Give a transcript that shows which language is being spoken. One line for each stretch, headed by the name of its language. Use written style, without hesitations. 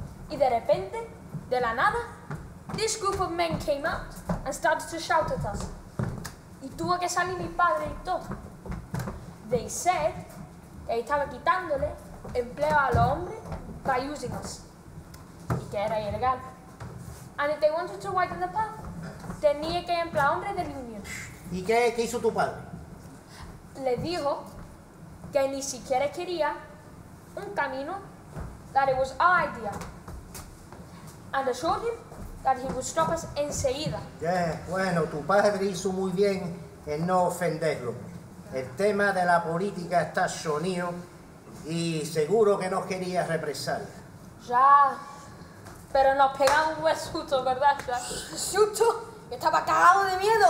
Spanish: Y de repente, de la nada,
English: this group of men came out and started to shout at us.
Spanish: Y tuvo que salir mi padre y todo.
English: They said
Spanish: que estaba quitándole empleo al hombre
English: by using us,
Spanish: y que era ilegal.
English: And if they wanted to widen the path,
Spanish: tenía que emplear hombres de mi unión. ¿Y qué hizo tu padre? Le dijo que ni siquiera quería un camino,
English: that it was our idea. And assured him that he would stop us
Spanish: enseguida. Yeah, bueno, tu padre hizo muy bien en no ofenderlo. El tema de la política está sonido y seguro que no quería represalia. Ya, pero nos pegamos un buen susto, ¿verdad? Ya. ¿Susto? ¡Estaba cagado de miedo!